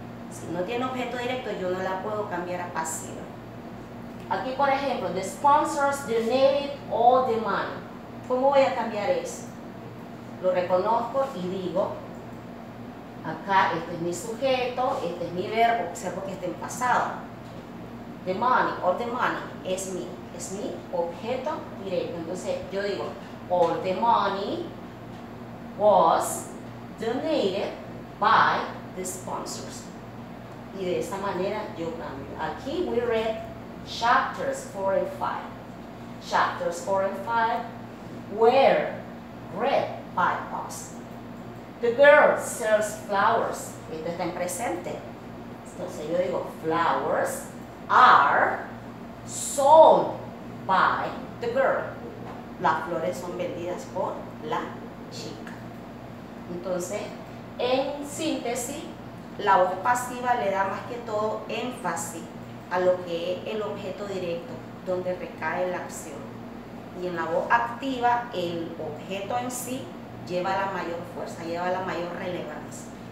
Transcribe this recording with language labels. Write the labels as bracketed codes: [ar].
[es] Si no tiene objeto directo, yo no la puedo cambiar a pasiva. Aquí, por ejemplo, [en] the sponsors donated all the money. [es] ¿Cómo voy a cambiar eso? Lo reconozco y digo, acá este es mi sujeto, este es mi verbo, observo que está en pasado. [en] The money, all the money, [es] es mi. Es mi objeto directo. Entonces yo digo, [en] all the money was donated by the sponsors. [es] Y de esa manera yo cambio. Aquí [en] we read chapters 4 and 5. Chapters 4 and 5 were read by us. The girl sells flowers. [es] Esto está en presente. Entonces yo digo, [en] flowers are sold by the girl. [es] Las flores son vendidas por la chica. Entonces, en síntesis, la voz pasiva le da más que todo énfasis a lo que es el objeto directo, donde recae la acción. Y en la voz activa, el objeto en sí lleva la mayor fuerza, lleva la mayor relevancia.